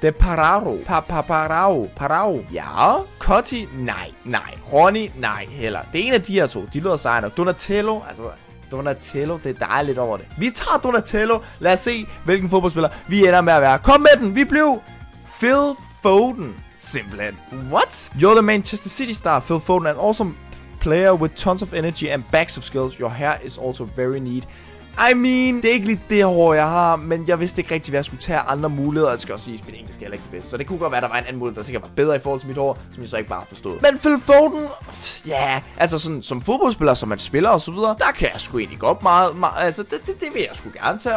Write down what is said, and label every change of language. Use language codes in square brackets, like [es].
[da] De Pararo. Pararo. Pararo. Ja. Cutty? Nej. Nej. Ronnie? Nej heller. Det er en af de her to. De lyder sejt. Donatello? Altså... Donatello, det er dejligt over det. Vi tager Donatello. Lad os se, hvilken fodboldspiller vi ender med at være. Kom med den. Vi blev Phil Foden. Simpelthen. [en] What? You're the Manchester City star, Phil Foden, an awesome player with tons of energy and bags of skills. Your hair is also very neat. I mean, [da] det er ikke lige det hår, jeg har, men jeg vidste ikke rigtig, hvad jeg skulle tage andre muligheder. Jeg skal også sige, at mit engelsk er ikke det bedste. Så det kunne godt være, at der var en anden mulighed, der sikkert var bedre i forhold til mit hår, som jeg så ikke bare forstod. Men Phil Foden, ja, altså sådan som fodboldspiller, som man spiller osv., der kan jeg sgu egentlig godt meget, altså det vil jeg sgu gerne tage.